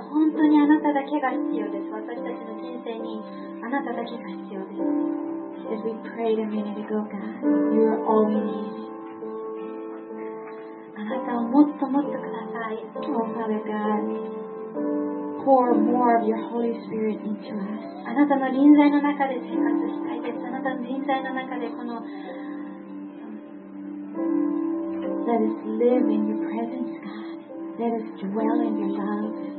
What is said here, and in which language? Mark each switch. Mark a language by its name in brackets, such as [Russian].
[Japanese] 本当にあなただけが必要です。私たちの人生にあなただけが必要です。 [English] As we prayed a minute ago, God, you are all we need. [Japanese] あなたをもっともっとください。 [English] Oh Father God, pour more of your Holy Spirit into us. [Japanese] あなたの臨在の中で生活したいです。あなたの臨在の中でこの [English] Let us live in your presence, God. Let us dwell in your love.